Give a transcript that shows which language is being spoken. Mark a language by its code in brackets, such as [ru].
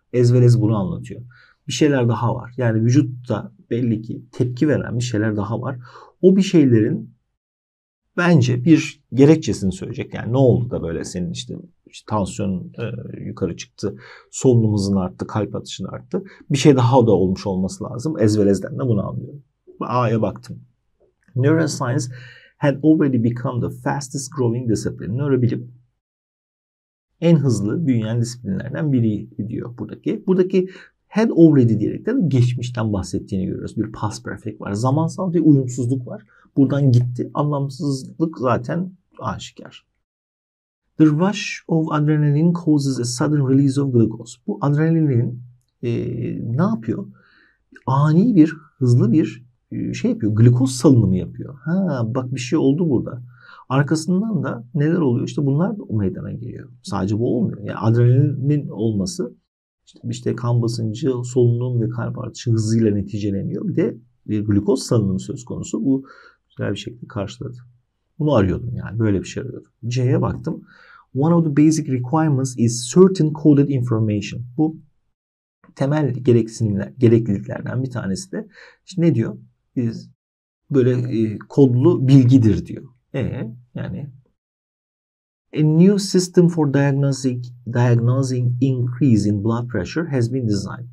[tr] Ezberez bunu anlatıyor. Bir şeyler daha var. Yani vücutta belli ki tepki veren bir şeyler daha var. O bir şeylerin bence bir gerekçesini söyleyecek. Yani ne oldu da böyle senin işte tansiyon yukarı çıktı, solunum hızın arttı, kalp atışın arttı. Bir şey daha da olmuş olması lazım. Ezberezden de bunu anlıyorum. A'ya baktım. [en] Neuroscience had already become the fastest growing discipline. [tr] Nörobilim en hızlı büyüyen disiplinlerden biri diyor buradaki. Buradaki had already diyerek de geçmişten bahsettiğini görüyoruz. Bir past perfect var. Zamansal bir uyumsuzluk var. Buradan gitti. Anlamsızlık zaten aşikar. [en] The rush of adrenaline causes a sudden release of glucose. [tr] Bu adrenalin ne yapıyor? Ani bir, hızlı bir şey yapıyor. Glikoz salınımı yapıyor. Ha, bak bir şey oldu burada. Arkasından da neler oluyor? İşte bunlar da o meydana geliyor. Sadece bu olmuyor. Yani adrenalinin olması işte kan basıncı, solunum ve kalp artışı hızıyla neticeleniyor. Bir de bir glikoz salınımı söz konusu. Bu güzel bir şekilde karşıladı. Bunu arıyordum yani. Böyle bir şey arıyordum. C'ye baktım. [en] One of the basic requirements is certain coded information. [tr] Bu temel gerekliliklerden bir tanesi de işte ne diyor? Biz böyle kodlu bilgidir diyor. Yani [en] a new system for diagnosing increase in blood pressure has been designed.